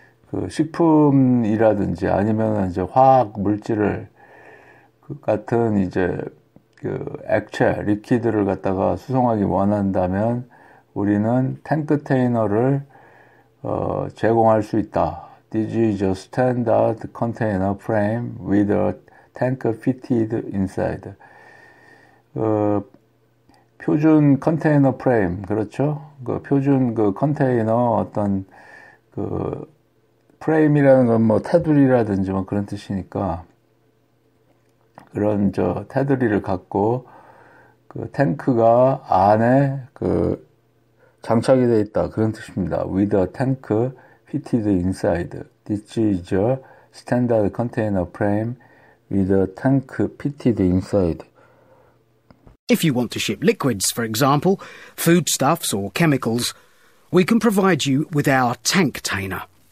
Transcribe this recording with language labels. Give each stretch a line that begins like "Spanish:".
Korean: 그 식품이라든지 아니면 이제 화학 물질을 그 같은 이제 그 액체, 리퀴드를 갖다가 수송하기 원한다면 우리는 탱크 테이너를 제공할 수 있다.
English: This is a standard container frame with a tank fitted inside.
Korean: 표준 컨테이너 프레임, 그렇죠? 그 표준 그 컨테이너 어떤 그 프레임이라는 건뭐 테두리라든지 뭐 그런 뜻이니까 그런 저 테두리를 갖고 그 탱크가 안에 그 장착이 되어 있다 그런 뜻입니다.
English: With a tank fitted inside. This is a standard container frame with a tank fitted inside. If you want to ship liquids, for example, foodstuffs or chemicals, we can provide you with our tanktainer.